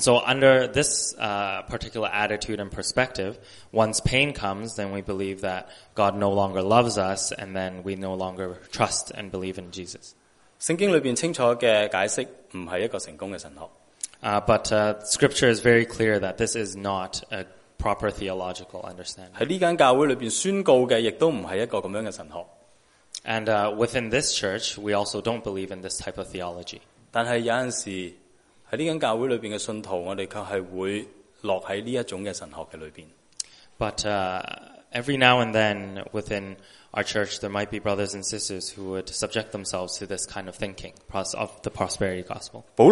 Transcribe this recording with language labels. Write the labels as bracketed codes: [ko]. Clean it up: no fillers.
[en] so under this particular attitude and perspective, once pain comes, then we believe that God no longer loves us, and then we no longer trust and believe in Jesus. [zh] 圣经里面清楚的解释不是一个成功的神学。 [en] But scripture is very clear that this is not a proper theological understanding. [zh] 在这间教会里面宣告的也不是一个这样的神学。 [en] And within this church, we also don't believe in this type of theology. [zh] 但是有时 在这间教会里面的信徒，我们却是会落在这一种的神学的里面。 [en] But every now and then within our church, there might be brothers and sisters who would subject themselves to this kind of thinking of the prosperity gospel.